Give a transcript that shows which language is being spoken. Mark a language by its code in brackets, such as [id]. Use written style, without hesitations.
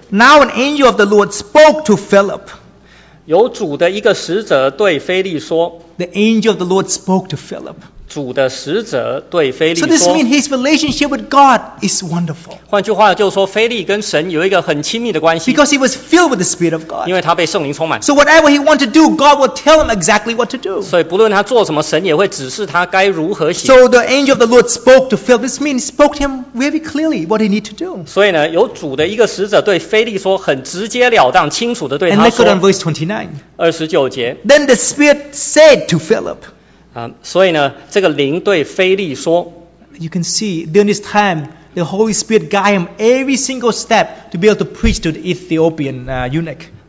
[en] Now an angel of the Lord spoke to Philip. [zh] 有主的一个使者对腓力说。 [en] The angel of the Lord spoke to Philip. [zh] 主的使者对腓力说, [en] so this means his relationship with God is wonderful. [zh] 换句话就是说, 腓力跟神有一个很亲密的关系, [en] because he was filled with the Spirit of God. [zh] 因为他被圣灵充满. [en] So whatever he wants to do, God will tell him exactly what to do. [zh] 所以不论他做什么, 神也会指示他该如何行. [en] So the angel of the Lord spoke to Philip. This means he spoke to him very clearly what he needs to do. [zh] 所以呢, 有主的一个使者对腓力说, 很直接了当, 清楚地对他说, [en] and look at verse 29. [zh] 29节, [en] then the Spirit said to Philip, [zh] 所以呢，这个灵对腓力说， [en] You can see during this time the Holy Spirit guided him every single step to be able to preach to the Ethiopian eunuch.